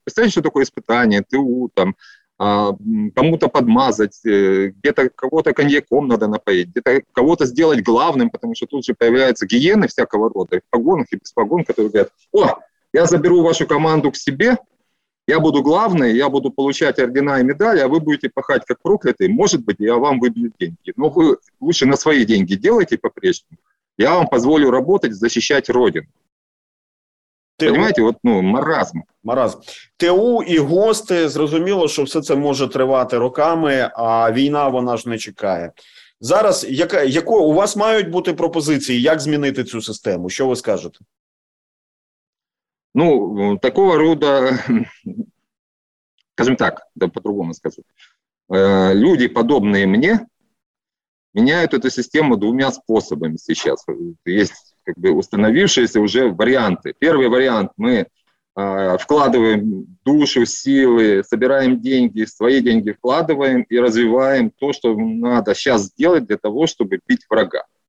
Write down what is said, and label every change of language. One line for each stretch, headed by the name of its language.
Russian: Представляете, что такое испытание, ТУ, там, кому-то подмазать, где-то кого-то коньяком надо напоить, где-то кого-то сделать главным, потому что тут же появляются гиены всякого рода, в погонах и без погон, которые говорят, о, я заберу вашу команду к себе, я буду главный, я буду получать ордена и медали, а вы будете пахать как проклятые, может быть, я вам выбью деньги. Но вы лучше на свои деньги делайте по-прежнему, я вам позволю работать, защищать Родину. ТУ. Понимаете, вот, ну, маразм. Маразм.
Ukrainian: ТУ і гости, зрозуміло, що все це може тривати роками, а війна, вона ж не чекає. Зараз, яка, у вас мають бути пропозиції, як змінити цю систему? Що ви скажете?
Russian: Ну, такого рода, скажем так, да, по-другому скажу. Люди, подобные мне, меняют эту систему двумя способами сейчас. Есть как бы установившиеся уже варианты. Первый вариант – мы вкладываем душу, силы, собираем деньги, свои деньги вкладываем и развиваем то, что надо сейчас сделать для того, чтобы бить врага.